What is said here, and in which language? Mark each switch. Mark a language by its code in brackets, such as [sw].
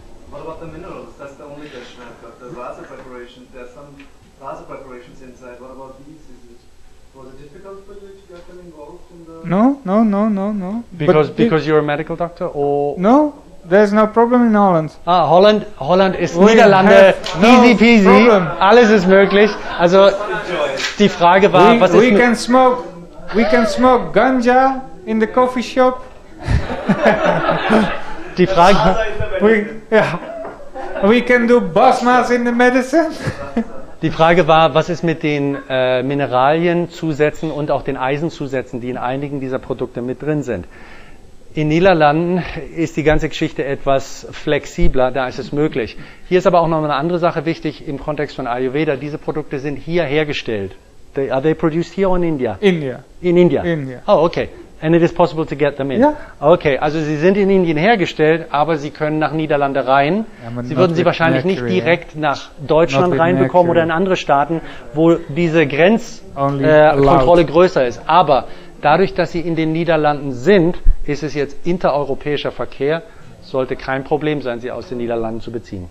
[en] What about the minerals? That's the only question I've got. The Rasa preparation, there are some Rasa preparations inside. What about these? Was it difficult for you to get them involved in the... No. Because you're a medical doctor or... No. There's no problem in Holland. [de] Ah, Holland ist Niederlande, [en] easy peasy, [de] alles ist möglich. Also die Frage war, was ist möglich? [en] We can smoke ganja in the coffee shop. [de] Die Frage war, [en] we can do basmas in the medicine. [de] Die Frage war, was ist mit den Mineralienzusätzen und auch den Eisenzusätzen, die in einigen dieser Produkte mit drin sind. In Niederlanden ist die ganze Geschichte etwas flexibler, da ist es möglich. Hier ist aber auch noch eine andere Sache wichtig im Kontext von Ayurveda. Diese Produkte sind hier hergestellt. [en] Are they produced here or in India? India. Oh, okay. And it is possible to get them in. Yeah. [de] Okay, also sie sind in Indien hergestellt, aber sie können nach Niederlande rein. Sie würden sie wahrscheinlich nicht direkt nach Deutschland reinbekommen oder in andere Staaten, wo diese Grenzkontrolle größer ist. Aber dadurch, dass sie in den Niederlanden sind, ist es jetzt intereuropäischer Verkehr, sollte kein Problem sein, sie aus den Niederlanden zu beziehen.